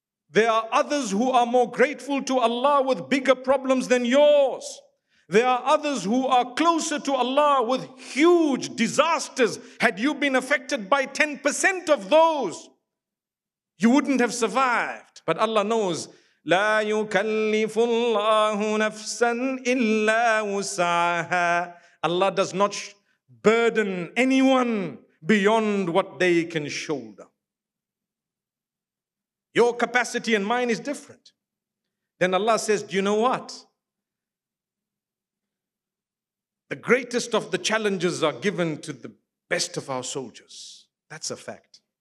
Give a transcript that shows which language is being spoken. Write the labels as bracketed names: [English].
[English] There are others who are more grateful to Allah with bigger problems than yours. There are others who are closer to Allah with huge disasters. Had you been affected by 10% of those, you wouldn't have survived. But Allah knows, [Arabic] لا يكلف الله نفسا إلا وسعها. [English] Allah does not burden anyone beyond what they can shoulder. Your capacity and mine is different. Then Allah says, do you know what? The greatest of the challenges are given to the best of our soldiers. That's a fact.